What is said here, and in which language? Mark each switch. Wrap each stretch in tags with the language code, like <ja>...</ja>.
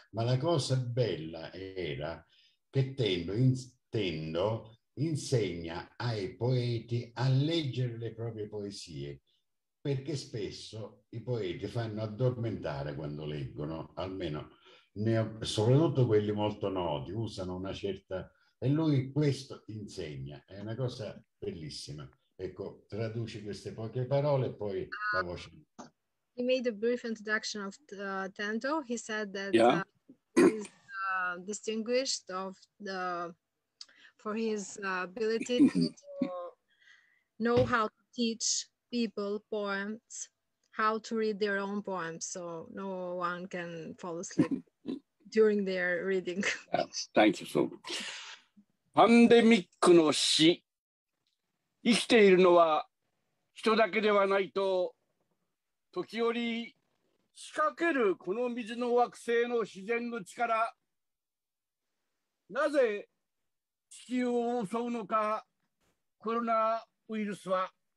<it>Ma la cosa bella era che Tendo insegna ai poeti a leggere le proprie poesie, perché spesso i poeti fanno addormentare quando leggono, almeno soprattutto quelli molto noti, usano una certa... E lui questo insegna, è una cosa bellissima. Ecco, traduci queste poche parole e poi la voce.</it> <en>He made a brief introduction of Tendo. He said that he's distinguished for his ability to know how to teach people poems, how to read their own poems, so no one can fall asleep during their reading. Yes, thank you so much. Pandemic</en> <ja>の詩。生きているのは人だけではないと、時折仕掛けるこの水の惑星の自然の力、なぜ地球を襲うのか、コロナウイルスは。</ja>